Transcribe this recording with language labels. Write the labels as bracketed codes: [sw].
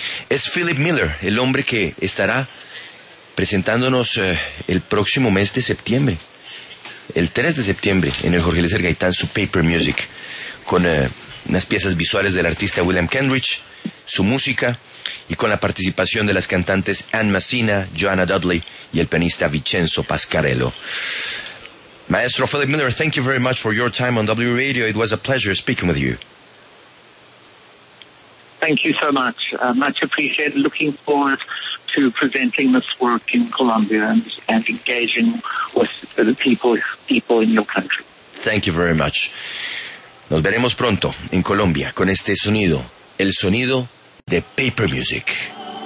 [es] Es Philip Miller, el hombre que estará presentándonos el próximo mes de septiembre. El 3 de septiembre, en el Jorge Eliezer Gaitán, su Paper Music, con unas piezas visuales del artista William Kendrich, su música, y con la participación de las cantantes Ann Massina, Joanna Dudley, y el pianista Vincenzo Pascarello. [en] Maestro Philip Miller, thank you very much for your time on W Radio. It was a pleasure speaking with you. Thank you so much. Much appreciated. Looking forward to presenting this work in Colombia and engaging with the people in your country. Thank you very much. [es] Nos veremos pronto en Colombia con este sonido, el sonido de Paper Music.